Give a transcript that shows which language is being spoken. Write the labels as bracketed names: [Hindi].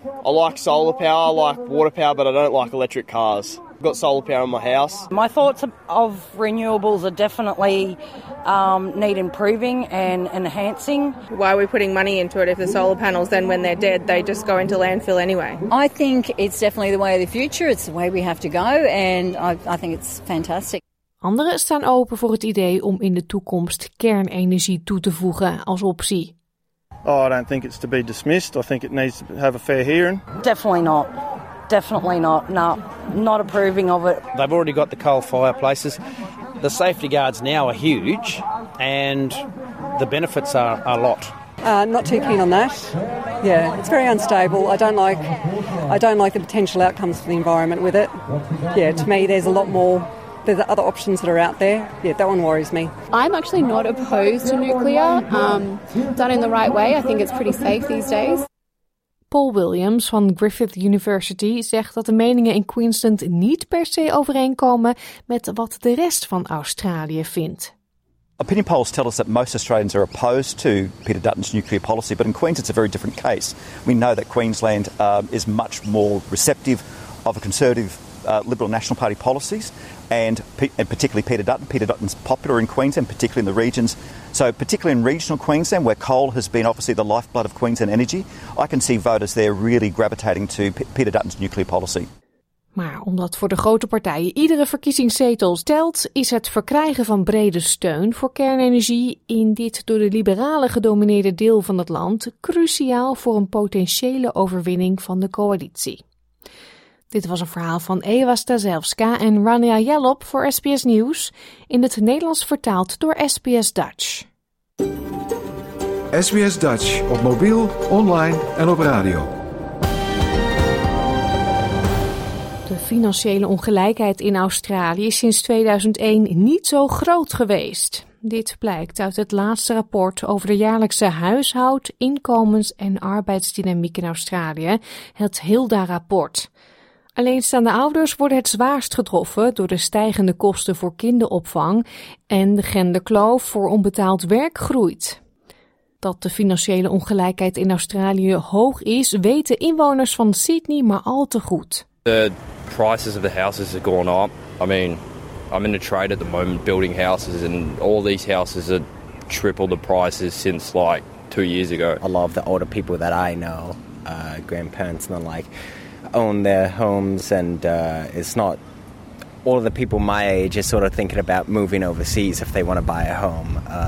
[English] I like solar power, I like water power, but I don't like electric cars. got solar power in my house. My thoughts of renewables are definitely need improving and enhancing. Why are we putting money into it if the solar panels, then when they're dead, they just go into landfill anyway? I think it's definitely the way of the future. It's the way we have to go, and I think it's fantastic. [Dutch] Anderen staan open voor het idee om in de toekomst kernenergie toe te voegen als optie. [English] Oh, I don't think it's to be dismissed. I think it needs to have a fair hearing. Definitely not. Definitely not. No, not approving of it. They've already got the coal fireplaces. The safety guards now are huge and the benefits are a lot. Not too keen on that. Yeah, it's very unstable. I don't like the potential outcomes for the environment with it. Yeah, to me there's a lot more. There's other options that are out there. Yeah, that one worries me. I'm actually not opposed to nuclear. Done in the right way, I think it's pretty safe these days. [Dutch] Paul Williams van Griffith University zegt dat de meningen in Queensland niet per se overeenkomen met wat de rest van Australië vindt. [English] Opinion polls tell us that most Australians are opposed to Peter Dutton's nuclear policy, but in Queensland it's a very different case. We know that Queensland is much more receptive of a conservative Liberal National Party policies, and particularly Peter Dutton. Peter Dutton's popular in Queensland, particularly in the regions. So particularly in regional Queensland, where coal has been obviously the lifeblood of Queensland energy, I can see voters there really gravitating to Peter Dutton's nuclear policy. [Dutch] Maar omdat voor de grote partijen iedere verkiezingszetel telt, is het verkrijgen van brede steun voor kernenergie in dit door de liberalen gedomineerde deel van het land cruciaal voor een potentiële overwinning van de coalitie. Dit was een verhaal van Ewa Staselska en Rania Jalop voor SBS Nieuws, in het Nederlands vertaald door SBS Dutch. SBS Dutch op mobiel, online en op radio. De financiële ongelijkheid in Australië is sinds 2001 niet zo groot geweest. Dit blijkt uit het laatste rapport over de jaarlijkse huishoud, inkomens en arbeidsdynamiek in Australië, het HILDA-rapport. Alleenstaande ouders worden het zwaarst getroffen door de stijgende kosten voor kinderopvang en de genderkloof voor onbetaald werk groeit. Dat de financiële ongelijkheid in Australië hoog is, weten inwoners van Sydney maar al te goed. [English] The prices of the houses have gone up. I mean, I'm in the trade at the moment building houses and all these houses have tripled the prices since like 2 years ago. A lot of the older people that I know, grandparents and like own their homes, and it's not all of the people my age are sort of thinking about moving overseas if they want to buy a home.